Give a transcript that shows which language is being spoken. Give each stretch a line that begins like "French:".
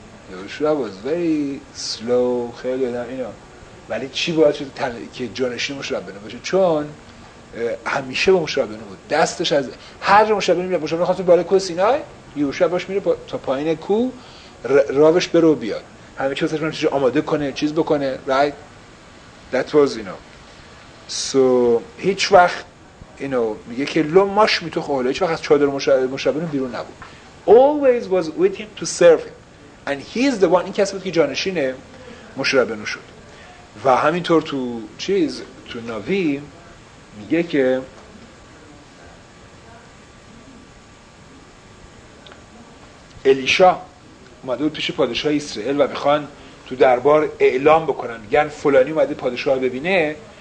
Persian: یهوشوع
English: was very slow،
Persian: خیلی آدم اینا. ولی چی باید شد که جانشین موشه رابینو باشه؟ چون همیشه با موشه رابینو بود، دستش از هر جا موشه رابینو میره، موشه رابینو خواست بالا کوه سینای، یهوشوع باش میره تا پایین کوه، راوش برو بیاد، همه چیز واسش میشه آماده کنه، چیز بکنه، right.
English: That was you know.
Persian: So هیچ وقت
English: you know
Persian: میگه که
Hebrew: لو ماش می تو خاله،
Persian: هیچ وقت از چادر موشه رابینو بیرون نبود.
English: Always was with him to serve him. And he is the one،
Persian: این کسی بود که جانشینه موشه رابینو شد. و همینطور تو چیز تو ناوی میگه که الیشا اومده بود پیش پادشاه اسرائیل و میخوان تو دربار اعلام بکنن، میگن فلانی اومده پادشاه ببینه.